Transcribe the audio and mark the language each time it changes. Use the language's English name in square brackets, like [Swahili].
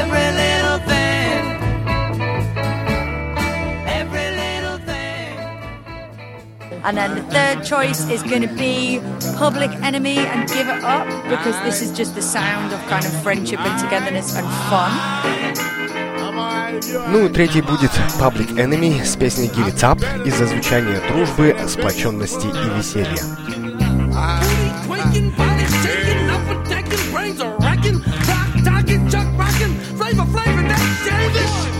[English] Every little thing. Every little thing. And then the third choice is going to be Public Enemy and Give It Up, because this is just the sound of kind of friendship and togetherness and fun. [Russian] Ну, третий будет Public Enemy с песней Give It Up из-за звучания дружбы, сплоченности и веселья. [English] Booty quaking, body shaking, upper decking, brains are racking, rock, docking, chuck rocking, flavor, flavor, that's Davis.